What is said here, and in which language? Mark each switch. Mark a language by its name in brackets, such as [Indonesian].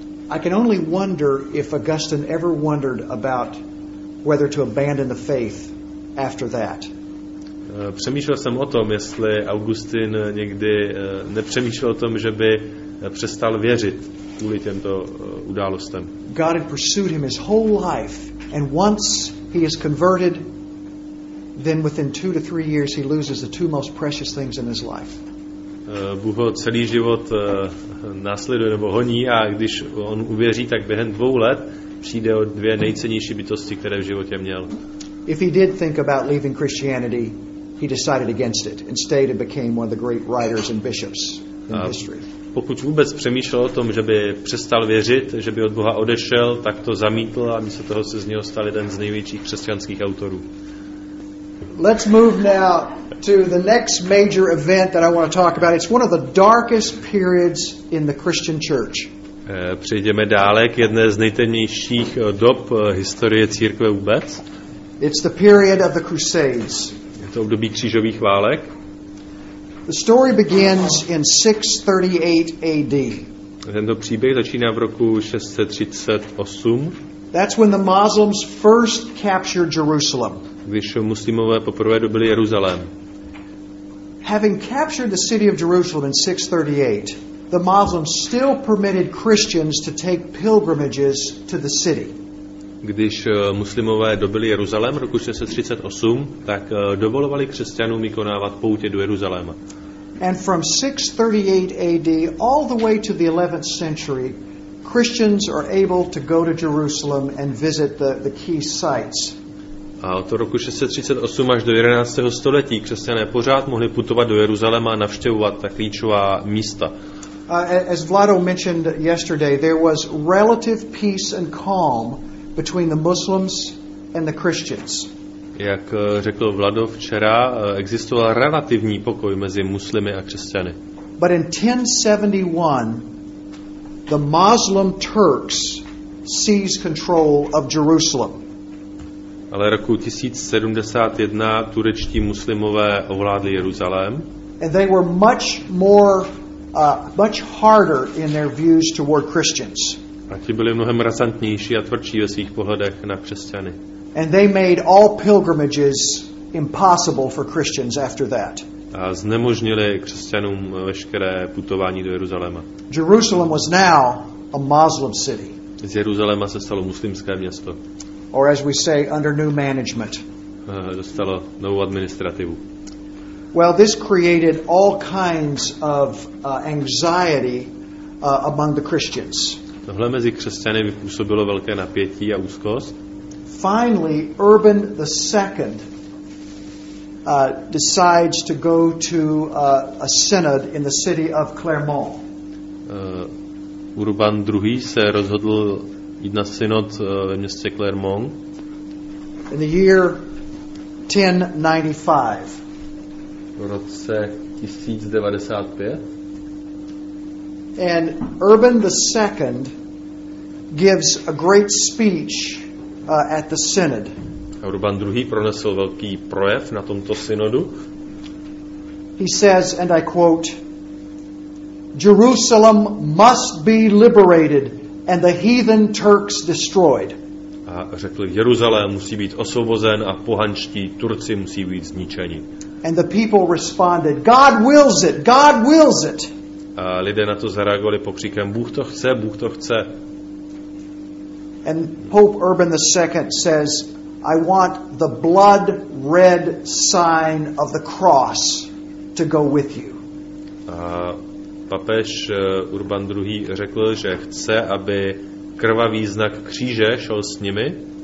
[English] I can only wonder if Augustine ever wondered about whether to abandon the faith after that. [Czech] Přemýšlel jsem o tom, jestli Augustin někdy nepřemýšlel o tom, že by přestal věřit kvůli těmto událostem. [English] God had pursued him his whole life, and once he is converted, then within 2 to 3 years he loses the two most precious things in his life. [Czech] Bůh ho celý život následuje nebo honí, a když on uvěří, tak během 2 let přijde o 2 nejcennější bytosti, které v životě měl. [English] If he did think about leaving Christianity, he decided against it. Instead, he became one of the great writers and bishops in history. [Czech] Pokud vůbec přemýšlel o tom, že by přestal věřit, že by od Boha odešel, tak to zamítl a místo toho se z něho stal jeden z největších křesťanských autorů. [English] Let's move now to the next major event that I want to talk about. It's one of the darkest periods in the Christian church. [Czech] Přejdeme dále k jedné z nejtemnějších dob historie církve vůbec. [English] It's the period of the Crusades. [Czech] Je to období křížových válek. [English] The story begins in 638 AD. [Czech] Tento příběh začíná v roku 638. [English] That's when the Muslims first captured Jerusalem. [Czech] Když muslimové poprvé dobili Jeruzalém. [English] Having captured the city of Jerusalem in 638, the Muslims still permitted Christians to take pilgrimages to the city. [Czech] Když muslimové dobili Jeruzalém roku 638, tak dovolovali křesťanům vykonávat poutě do Jeruzaléma. [English] And from 638 AD all the way to the 11th century, Christians are able to go to Jerusalem and visit the key sites. [Czech] A od roku 638 až do 11. století křesťané pořád mohli putovat do Jeruzaléma a navštěvovat ta klíčová místa. [English] As Vlado mentioned yesterday, there was relative peace and calm between the Muslims and the Christians. [Czech] Jak řekl Vlado včera, existoval relativní pokoj mezi muslimy a křesťany. [English] But in 1071, the Muslim Turks seized control of Jerusalem. [Czech] Ale roku 1071 turečtí muslimové ovládli Jeruzalém. [English] And they were much more much harder in their views toward Christians. [Czech] A ti byli mnohem razantnější a tvrdší ve svých pohledech na křesťany. [English] And they made all pilgrimages impossible for Christians after that. [Czech] A znemožnili křesťanům veškeré putování do Jeruzaléma. [English] Jerusalem was now a Muslim city. [Czech] Z Jeruzaléma se stalo muslimské město. [English] Or as we say, under new management. [Czech] Dostalo novou administrativu. [English] Well, this created all kinds of anxiety among the Christians. [Czech] Tohle mezi křesťany vypůsobilo velké napětí a úzkost. [English] Finally, Urban II decides to go to a synod in the city of Clermont. [Czech] Urban II se rozhodl jít na synod ve městě Clermont. [English] In the year 1095. [Czech] V roce 1095. [English] And Urban II gives a great speech at the synod. [Czech] Urban II pronesl velký projev na tomto synodu. [English] He says, and I quote, "Jerusalem must be liberated and the heathen Turks destroyed." [Czech] A řekl, Jeruzalém musí být osvobozen a pohanští Turci musí být zničeni. [English] And the people responded, "God wills it, God wills it." [Czech] A lidé na to zareagovali pokřikem, Bůh to chce, Bůh to chce. [English] And Pope Urban II says, "I want the blood red sign of the cross to go with you." [Czech] A papež Urban II. Řekl, že chce, aby krvavý znak kříže šel s nimi.